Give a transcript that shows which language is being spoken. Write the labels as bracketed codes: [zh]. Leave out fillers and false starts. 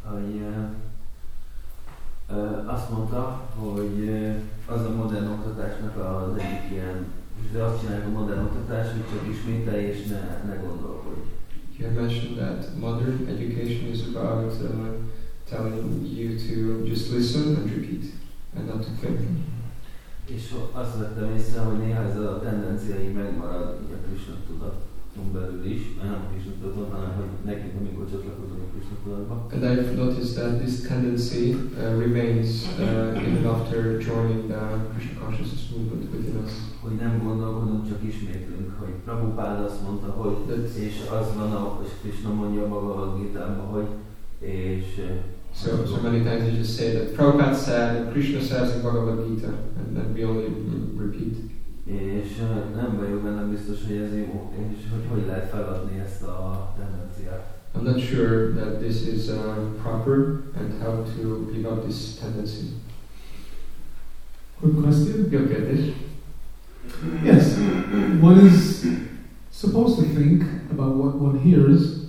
[hu] I azt mondta, hogy az a modern oktatásnak az egyik ilyen, de azt csinálják a modern oktatás, hogy csak ismételj és ne gondolkodj. [en] You have mentioned that modern education is about telling you to just listen and repeat, and not to think. [hu] És azt vettem észre, hogy néha ez a tendencia így megmarad a Krisna tudaton belül is, nem a Krisna tudaton, hanem hogy nekünk, amikor csatlakozunk a Krisna tudatba. [en] And I've noticed that this tendency remains even after joining the Krishna consciousness movement within us. [hu] Hogy nem gondolkodunk, csak ismétlünk, hogy Prabhupád azt mondta, hogy és az van, és Krishna mondja maga a Gitában, hogy és... [en] So many times you just say that Prabhupada said, Krishna says in Bhagavad Gita, and then we only repeat. [hu] És nem vagyok benne biztos, hogy ez jó, és hogy lehet feladni ezt a tendenciát. [en] I'm not sure that this is proper, and how to give up this tendency. Quick question? [hu] Jó kérdés. [en] Yes, one is supposed to think about what one hears.